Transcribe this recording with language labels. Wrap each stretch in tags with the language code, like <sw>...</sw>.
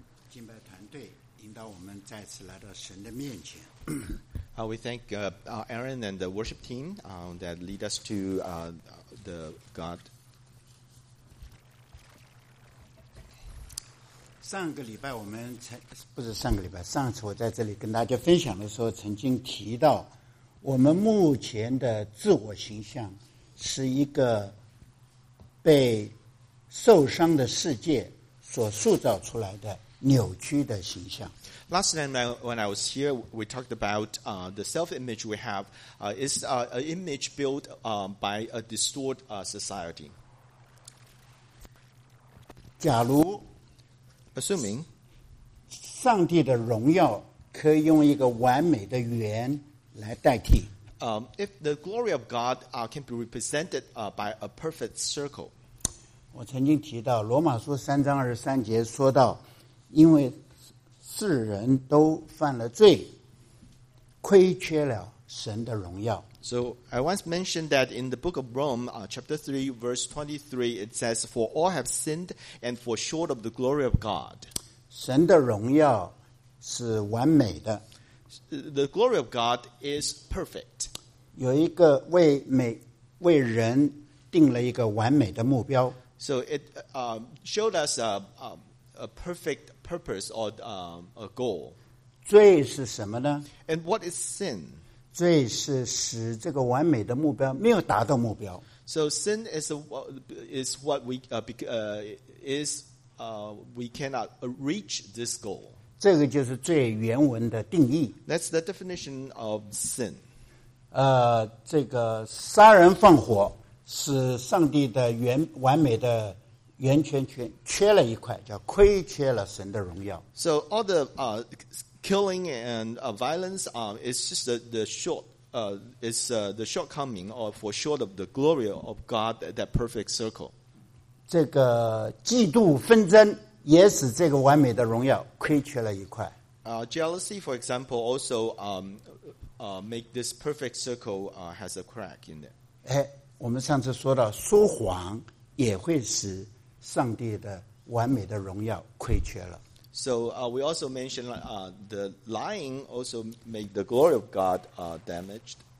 <zh>敬拜团队引导我们再次来到神的面前。</zh> <en>We thank Aaron and the worship team that lead us to the God.</en> <zh>上个礼拜我们不是上个礼拜，上次我在这里跟大家分享的时候，曾经提到我们目前的自我形象是一个被受伤的世界所塑造出来的扭曲的形象。</zh> <en>Last time when I was here, we talked about the self-image we have is an image built by a distorted society.</en> <zh>假如</zh> <en>Assuming</en> <zh>上帝的荣耀可以用一个完美的圆来代替</zh> <en>If the glory of God can be represented by a perfect circle.</en> <zh>我曾经提到罗马书三章二十三节说到因为世人都犯了罪，亏缺了神的荣耀。</zh> <en>So I once mentioned that in the book of Rome, chapter 3, verse 23, it says, For all have sinned and fall short of the glory of God.</en> <zh>神的荣耀是完美的。</zh> <en>The glory of God is perfect.</en> <zh>有一个为人定了一个完美的目标。</zh> <en>So it showed us a perfect purpose or a goal.</en> <zh>罪是什么呢?</zh> <en>And what is sin?</en> <zh>罪是使这个完美的目标没有达到目标。</zh> <en>So sin is what we cannot reach this goal.</en> <zh>这个就是罪原文的定义。</zh> <en>That's the definition of sin.</en> <zh>这个杀人放火使上帝的完美的圆圈圈缺了一块，叫亏缺了神的荣耀。</zh> <en>So all the killing and violence is just the shortcoming or for short of the glory of God that perfect circle.</en> <zh>这个嫉妒纷争也使这个完美的荣耀亏缺了一块。</zh> <en>Jealousy, for example, also make this perfect circle has a crack in it.</en> <zh>哎，我们上次说到说谎也会使上帝的完美的荣耀亏缺了。</zh> <en>So we also mentioned the lying also make the glory of God damaged.</en>